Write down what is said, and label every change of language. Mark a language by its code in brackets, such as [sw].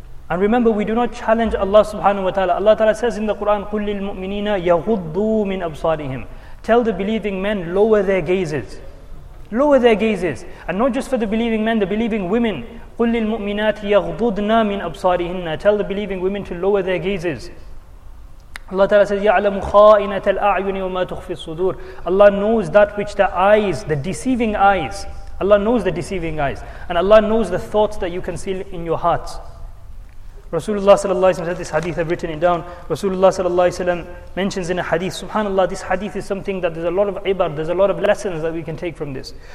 [en] And remember, we do not challenge Allah subhanahu wa ta'ala. Allah ta'ala says in the Quran, [ar] قُلْ لِلْمُؤْمِنِينَ يَغُضُّوا مِنْ أَبْصَارِهِمْ. [en] Tell the believing men, lower their gazes. Lower their gazes. And not just for the believing men, the believing women. [ar] قُلْ لِلْمُؤْمِنَاتِ يَغْضُضْنَا مِنْ أَبْصَارِهِنَّ. [en] Tell the believing women to lower their gazes. Allah ta'ala says, [ar] يَعْلَمُ خَائِنَةَ الْأَعْيُنِ وَمَا تُخْفِي الصُّدُورِ. [en] Allah knows that which the eyes, the deceiving eyes. Allah knows the deceiving eyes. And Allah knows the thoughts that you conceal in your hearts. Rasulullah sallallahu alayhi wa sallam, this hadith, I've written it down. Rasulullah sallallahu alayhi wa sallam mentions in a hadith, subhanAllah, this hadith is something that there's a lot of ibar, there's a lot of lessons that we can take from this.